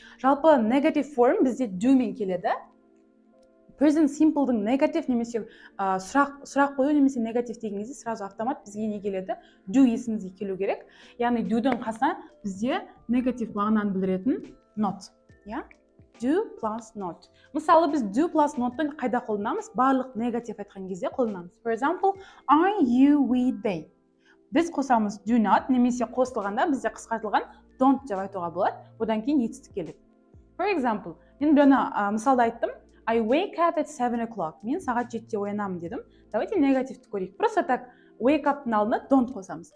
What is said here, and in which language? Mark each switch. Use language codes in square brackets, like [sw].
[kk] Жалпы negative form бізде do-мен келеді. Present simple-дің negative немесе сұрақ қою немесе negative деген кезде сразу автомат бізге не келеді? Do есімізге келу керек. Яғни do-дің қасына бізде negative мағынаны білдіретін not. [en] Do plus not. [kk] Мысалы, біз do plus not-тан қайда қолданамыз? Барлық негатив айтқан кезде қолданамыз. [en] For example, I, you, we, they. [kk] Біз қосамыз do not, немесе қосылғанда бізде қысқартылған don't деп айтуға болады. Одан кейін етістік келеді. [en] For example, [kk] мен біріне мысалды айттым. [en] I wake up at 7 o'clock. [kk] Мен сағат 7-те оянамын дедім. Давайте негативті көрейік. [ru] Просто так, [kk] wake up-тың алдына don't қосамыз.